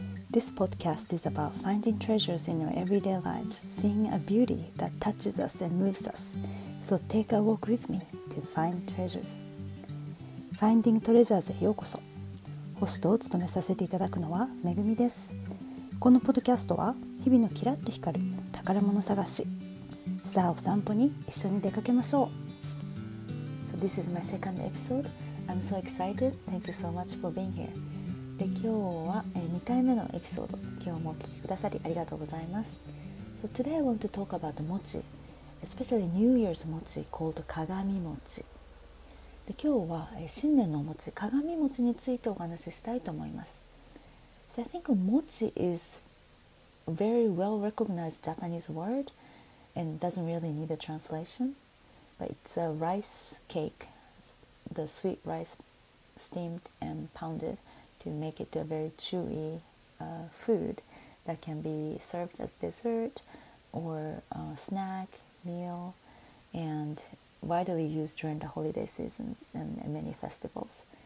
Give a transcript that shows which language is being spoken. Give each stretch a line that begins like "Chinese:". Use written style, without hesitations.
English: This podcast is about finding treasures in our everyday lives, seeing a beauty that touches us and moves us. So take a walk with me to find treasures.
Japanese: Finding Treasures へようこそ。ホストを務めさせていただくのは、めぐみです。このポッドキャストは、日々のキラッと光る宝物探し。さあ、お散歩に一緒に出かけましょう。
English: So this is my second episode. I'm so excited. Thank you so much for being here.
Japanese: で、今日は2回目のエピソード、今日もお聞きくださりありがとうございます。
English: So today I want to talk about mochi, especially New Year's mochi called 鏡餅。
Japanese: で、今日は新年のお餅、鏡餅についてお話ししたいと思います。
English: So I think mochi is a very well-recognized Japanese word and doesn't really need a translation, but it's a rice cake. The sweet rice steamed and pounded to make it a very chewy food that can be served as dessert or a snack, meal, and widely used during the holiday seasons and many festivals.